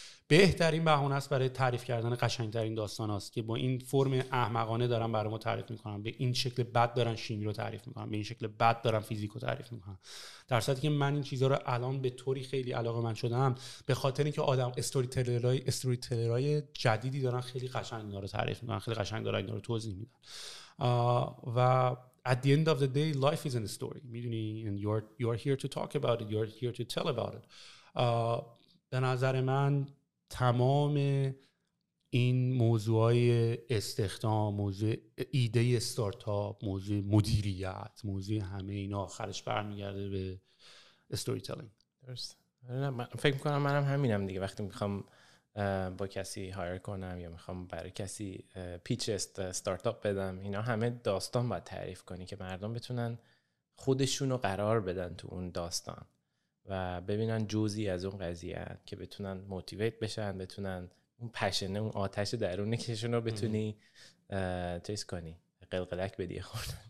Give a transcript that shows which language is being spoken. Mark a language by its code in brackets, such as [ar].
[fa] بهترین بهونه است برای تعریف کردن قشنگترین داستان هاست که با این فرم احمقانه دارم برام تعریف میکنم، به این شکل بد دارم شیمی رو تعریف میکنم، به این شکل بد دارم فیزیک رو تعریف میکنم. در صورتی که من این چیزها رو الان به طوری خیلی علاقه من شدم به خاطر اینکه آدم استوری تلرای جدیدی دارن خیلی قشنگ اینا رو تعریف میکنن، خیلی قشنگ دارن اینا رو توضیح میدن. [en] و at the end of the day life is in a story میدونی، and you're here to talk about it, you're here to tell about it. [fa] به نظر من تمام این موضوعای استخدام، موضوع ایده استارتاپ، موضوع مدیریت، موضوع همه اینا آخرش برمیگرده به استوری تلینگ. درست. فکر میکنم منم همینم دیگه، وقتی میخوام با کسی هایر کنم یا میخوام برای کسی پیچ استارتاپ بدم، اینا همه داستان باید تعریف کنی که مردم بتونن خودشونو قرار بدن تو اون داستان و ببینن جزی از اون قضیه هست که بتونن موتیویت بشن، بتونن اون پشنه، اون آتش درونی کشون رو بتونی تیز کنی، قلقلک بدی خورد.